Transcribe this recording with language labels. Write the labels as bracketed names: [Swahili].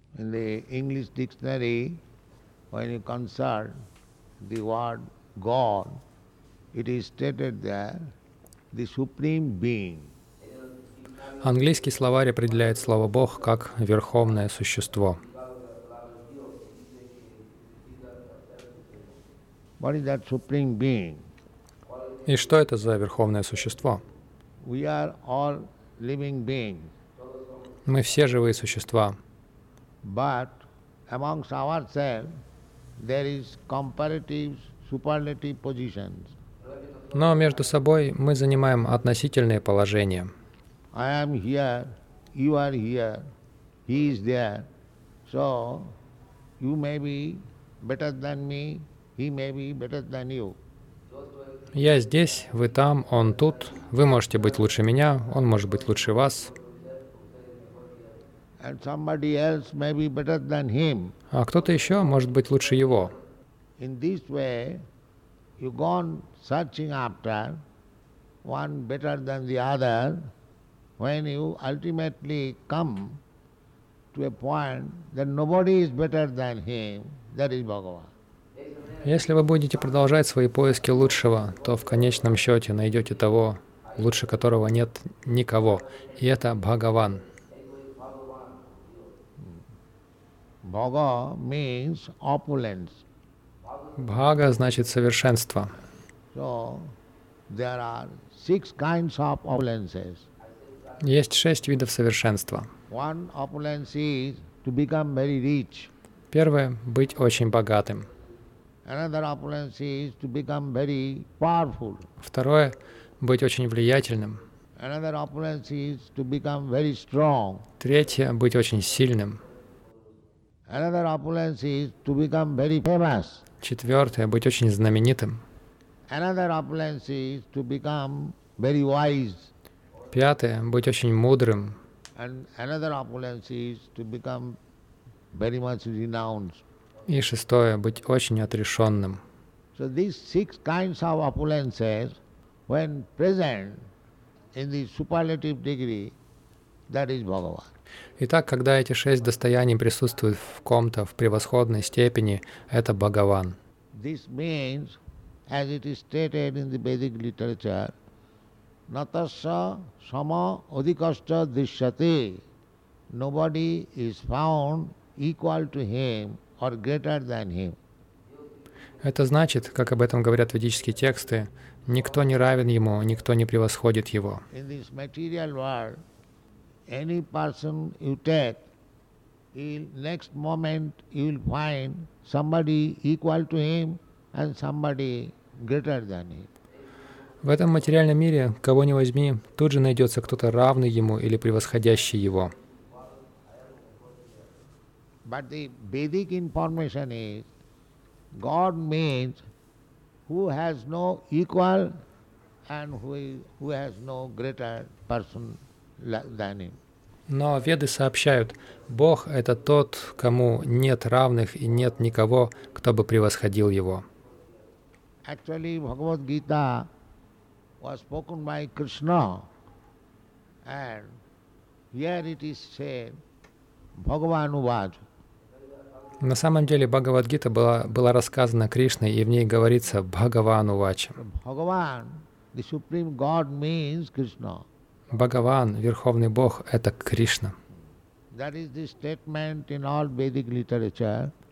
[English] In the English dictionary, when you consult the word God, it is stated there, the Supreme Being. [Russian] Английский словарь определяет слово Бог как Верховное Существо. [English] What is that Supreme Being? [Russian] И что это за Верховное Существо? [English] We are all living beings. [Russian] Мы все живые существа. [English] But amongst ourselves, there is comparative superlative positions. [Russian] Но между собой мы занимаем относительные положения. [English] I am here, you are here, he is there. So you may be better than me, he may be better than you. [Russian] Я здесь, вы там, он тут. Вы можете быть лучше меня, он может быть лучше вас. [English] And somebody else may be better than him. [Russian] А кто-то еще может быть лучше его. [English] In this way, you go on searching after one better than the other, when you ultimately come to a point that nobody is better than him, that is Bhagavan. [Russian] Если вы будете продолжать свои поиски лучшего, то в конечном счете найдете того, лучше которого нет никого. И это Бхагаван. [English] Bhaga means opulence. [Russian] Bhaga значит совершенство. [English] So there are six kinds of opulences. [Russian] Есть шесть видов совершенства. [English] One opulence is to become very rich. [Russian] Первое — быть очень богатым. [English] Another opulence is to become very powerful. [Russian] Второе — быть очень влиятельным. [English] Another opulence is to become very strong. [Russian] Третье — быть очень сильным. [English] Another opulence is to become very famous. [Russian] Четвертое — быть очень знаменитым. [English] Another opulence is to become very wise. [Russian] Пятое — быть очень мудрым. [English] And another opulence is to become very much renowned. [Russian] И шестое — быть очень отрешенным. [English] So these six kinds of opulences, when present in the superlative degree, that is Bhagavan. [Russian] Итак, когда эти шесть достояний присутствуют в ком-то в превосходной степени, это Бхагаван. [English] This means, as it is stated in the Vedic literature, [Sanskrit] natasya sama adhikasya drishyate. [English] Nobody is found equal to him or greater than him. [Russian] Это значит, как об этом говорят ведические тексты, никто не равен ему, никто не превосходит его. [English] In this material world, any person you take, next moment you will find somebody equal to him and somebody greater than him. [Russian] В этом материальном мире, кого ни возьми, тут же найдется кто-то равный ему или превосходящий его. [English] But the Vedic information is, God means who has no equal and who has no greater person than him. [Russian] Но веды сообщают, Бог — это тот, кому нет равных и нет никого, кто бы превосходил его. [English] Actually, Bhagavad-gita was spoken by Krishna. And here it is said, Bhagavan Uvacha. [Russian] На самом деле, Бхагавад-гита была рассказана Кришной, и в ней говорится Бхагавану Вача. [English] Bhagavan, the Supreme God, means Krishna. [Russian] Бхагаван, Верховный Бог — это Кришна. [English] That is the statement in all Vedic literature.